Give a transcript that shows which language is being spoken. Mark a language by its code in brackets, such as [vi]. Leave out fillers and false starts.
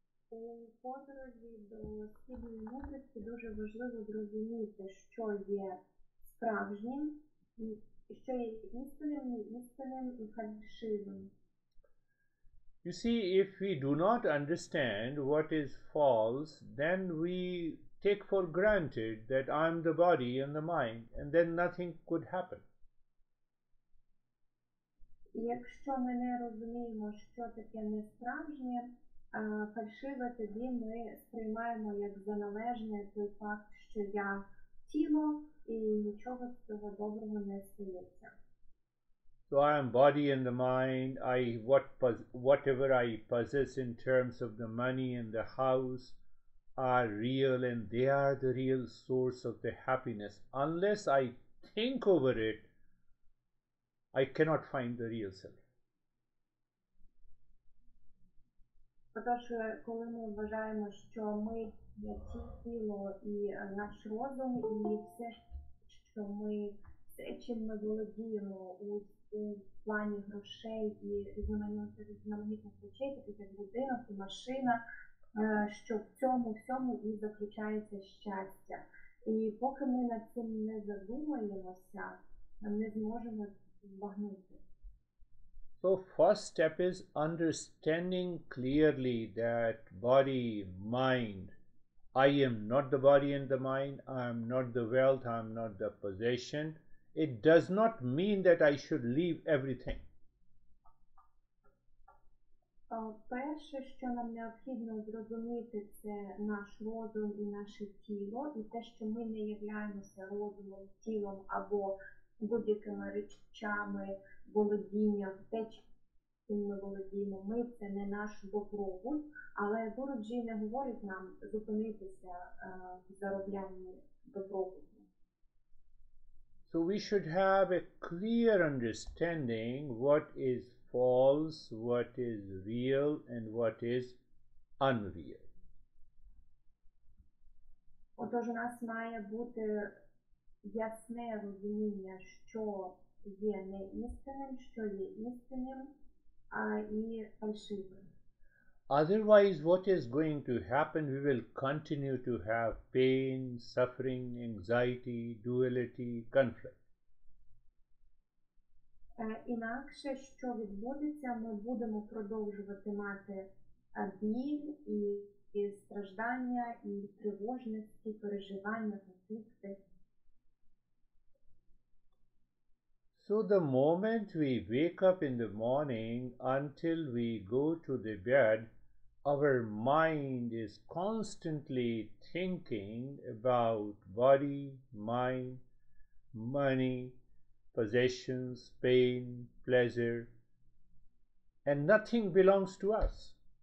[en] You see, if we do not understand what is false, then we take for granted that I'm the body and the mind, and then nothing could happen. [uk] Якщо ми не розуміємо, що таке несправжнє, фальшиве, тоді ми сприймаємо як заналежне той факт, що я тіло, і нічого з цього доброго не стається. [en] So I am body and the mind, whatever I possess in terms of the money and the house are real, and they are the real source of the happiness. Unless I think over it, I cannot find the real self. [uk] Отож, коли ми вважаємо, що ми є тіло і наш розум, і все, що ми, все, чим ми володіємо у плані грошей і різноманітних речей, такі як будинок і машина, що в цьому всьому і заключається щастя. І поки ми над цим не задумаємося, не зможемо збагнути. [en] So first step is understanding clearly that body, mind, I am not the body and the mind, I am not the wealth, I am not the possession. It does not mean that I should leave everything. [uk] Перше, що нам необхідно зрозуміти, це наш розум і наше тіло, і те, що ми не являємося розумом, тілом або будь-якими речами володіння, те, чим ми володіємо, ми – це не наш добробут, але Гуруджі не говорить нам зупинитися в зароблянні добробуту. [en] So we should have a clear understanding what is false, what is real, and what is unreal. [uk] Отож, у нас має бути ясне розуміння, що є неістинним, що є істинним, а і фальшивим. [en] Otherwise, what is going to happen? We will continue to have pain, suffering, anxiety, duality, conflict. [uk] Інакше, що відбудеться, ми будемо продовжувати мати біль і страждання, і тривожності, переживання, конфлікти. [en] So the moment we wake up in the morning until we go to the bed, our mind is constantly thinking about body, mind, money, possessions, pain, pleasure, and nothing belongs to us.